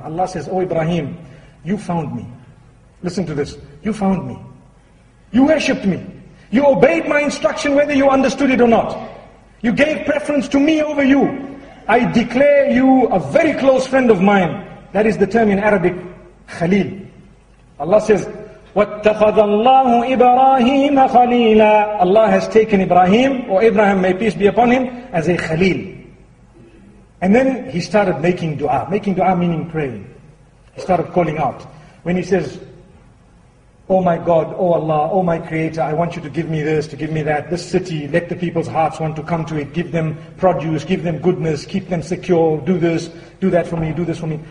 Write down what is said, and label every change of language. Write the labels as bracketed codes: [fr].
[en] Allah says, O Ibrahim, you found me. Listen to this. You found me. You worshipped me. You obeyed my instruction whether you understood it or not. You gave preference to me over you. I declare you a very close friend of mine. That is the term in Arabic, Khalil. Allah says, [ar] وَاتَّخَذَ اللَّهُ إِبْرَاهِيمَ خَلِيلًا. [en] Allah has taken Ibrahim, or Abraham, may peace be upon him, as a Khalil. And then he started making dua. Making dua meaning praying. He started calling out. When he says, oh my God, oh Allah, oh my Creator, I want you to give me this, to give me that, this city, let the people's hearts want to come to it, give them produce, give them goodness, keep them secure, do this, do that for me, do this for me.